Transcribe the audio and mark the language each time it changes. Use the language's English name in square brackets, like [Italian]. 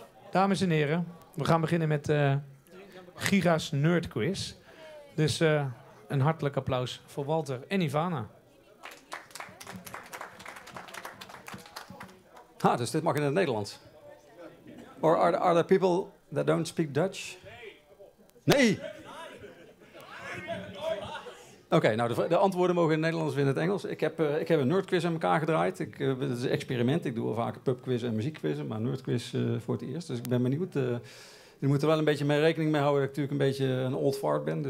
[Dutch] Dames en heren, we gaan beginnen met Giga's Nerd Quiz. Dus een hartelijk applaus voor Walter en Ivana. Ah, dus dit mag in het Nederlands. [English] Or are there people that don't speak Dutch? [Dutch] Nee! Oké, nou de antwoorden mogen in het Nederlands of in het Engels. Ik heb een nerdquiz aan elkaar gedraaid. Het is een experiment. Ik doe al vaker pubquiz en muziekquizzen, maar nerdquiz voor het eerst. Dus ik ben benieuwd. Je moet er wel een beetje mee rekening mee houden dat ik natuurlijk een beetje een old fart ben.